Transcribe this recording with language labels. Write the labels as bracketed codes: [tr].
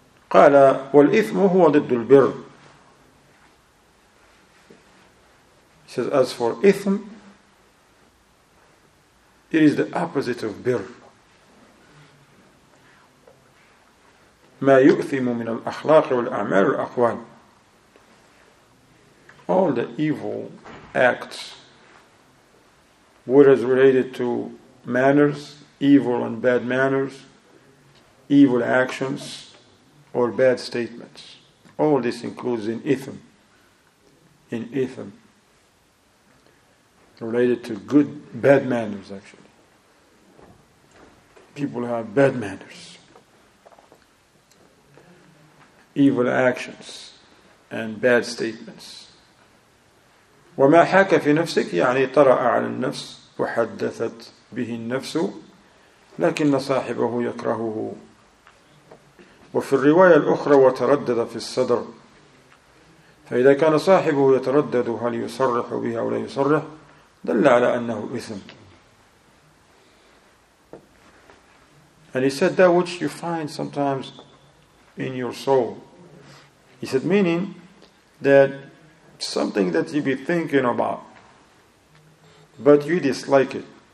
[ar] قال والإثم هو ضد البر. [en] He says, as for إثم, it is the opposite of بر. [ar] ما يؤثم من الأخلاق والأعمال والأقوال. [en] All the evil acts, what is related to manners, evil and bad manners, evil actions, or bad statements. All this includes in ithm. In ithm. Related to good, bad manners actually. People have bad manners. Evil actions and bad statements. [ar] وما حاك في نفسك يعني طرأ على النفس وحدثت به النفس لكن صاحبه يكرهه. وفي الرواية الأخرى وتردد في الصدر. فإذا كان صاحبه يتردد هل يصرح بها أو لا يصرح دل على أنه إثم. [en] And he said that which you find sometimes in your soul. He said meaning that something that you be thinking about but you dislike it.